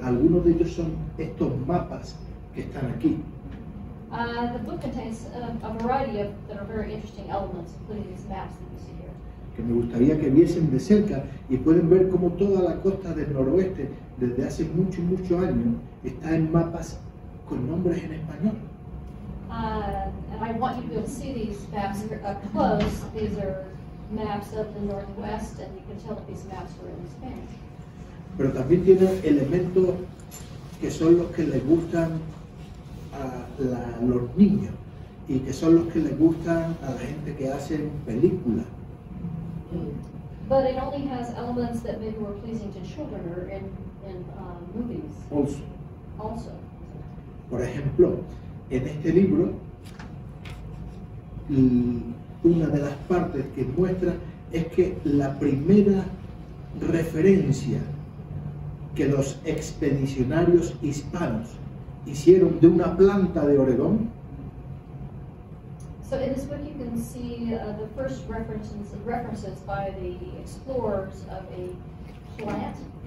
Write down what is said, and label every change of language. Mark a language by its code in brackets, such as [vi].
[es] Algunos de ellos son estos mapas que están aquí. [en] The book contains a variety of that are very interesting elements, including these maps that you see here. [es] Que me gustaría que viesen de cerca y pueden ver cómo toda la costa del noroeste desde hace muchos años está en mapas con nombres en español. [en] And I want you to be able to see these maps here up close. These are maps of the Northwest, and you can tell that these maps were in Spanish. [es] Pero también tiene elementos que son los que le gustan a la, los niños y que son los que le gustan a la gente que hacen películas. [en] But it only has elements that maybe were pleasing to children or in movies. Also. [es] Por ejemplo, en este libro, una de las partes que muestra es que la primera referencia que los expedicionarios hispanos hicieron de una planta de Oregón. [en] So in this book you can see the first references by the explorers of a plant.